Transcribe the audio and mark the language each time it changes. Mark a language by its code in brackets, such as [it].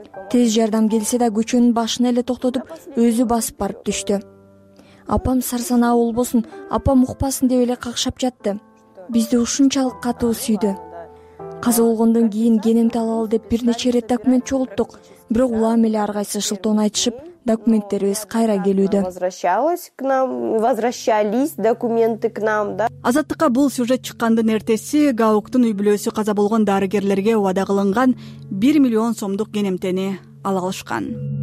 [ky] Тез жардам келсе да көчөнүн башына эле токтотуп, өзү басып барып түштү. Апам сарсана болбосун, апам укпасын деп эле какшап жатты. Бизди ушунчалык катуу сүйдү. Каза болгондон кийин генемди алалы деп бир нече ирет документ чогултук, бирок улам эле ар кайсы шылтоон айтышып, документтерибиз кайра келүүдө. [ru] Возвращалась к нам, возвращались документы к нам, да. [ky] Азаттыкка бул сюжет чыккандын эртеси Гауктун үй бүлөсү каза болгон дарыгерлерге убада кылынган 1 миллион сомдук генемтени ала алышкан.